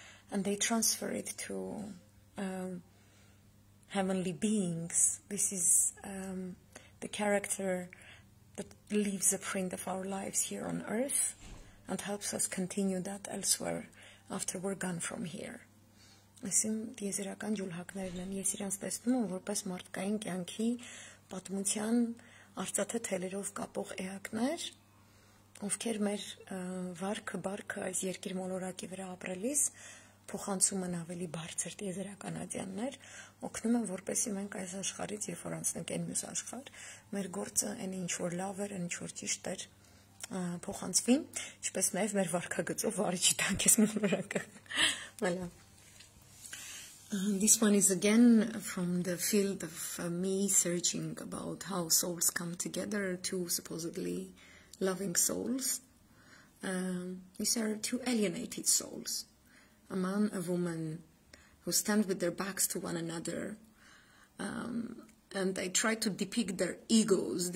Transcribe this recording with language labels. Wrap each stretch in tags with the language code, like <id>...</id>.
<en>and they transfer it to heavenly beings. This is the character that leaves a print of our lives here on earth and helps us continue that elsewhere after we're gone from here.</en> <hy>Այսին դիեզերական ջուլհակներն են, ես իրենց տեսնում եմ որպես մարդկային կյանքի պատմության արծաթե թելերով կապող էակներ, ովքեր մեր վարքը, բարքը այս երկիր մոլորակի վրա ապրելիս փոխանցում են ավելի բարձր դիեզերականացիաններ, օգնում են որպեսի մենք այս աշխարից, երբ որ անցնենք այն մյուս աշխարհ, մեր գործը այն ինչ որ լավ էր, ինչ որ ճիշտ էր փոխանցվի, ինչպես նաև մեր վարքագծով վարիչի տանք ես մոլորակը։ Հələ</hy> <en>This one is again from the field of me searching about how souls come together, two supposedly loving souls. These are two alienated souls, a man, a woman, who stand with their backs to one another, and they try to depict their egos.</en>